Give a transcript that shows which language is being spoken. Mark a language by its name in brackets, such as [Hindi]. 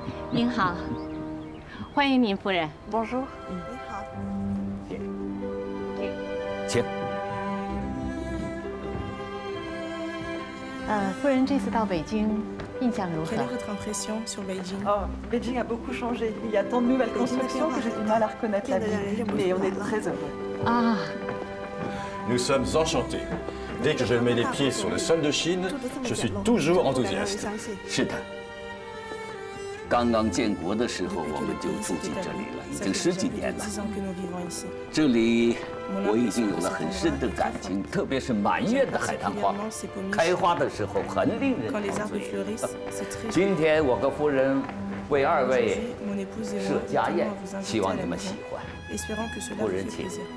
[Chinese] 您好，欢迎您，夫人。 [French] Bonjour。 [Chinese] 你好。请。夫人这次到北京印象如何？ [French] Quelle est votre impression sur Beijing ? Beijing a beaucoup changé. Il y a tant de nouvelles constructions que j'ai du mal à reconnaître la ville. Mais on est très heureux. Ah. Nous sommes enchantés. Dès que je mets les pieds sur le sol de Chine, je suis toujours enthousiaste. C'est ça. [Chinese] 刚刚建国的时候，我们就住进这里了，已经十几年了。这里我已经有了很深的感情，特别是满月的海棠花，开花的时候很令人陶醉。今天我和夫人为二位设家宴，希望你们喜欢。夫人，请。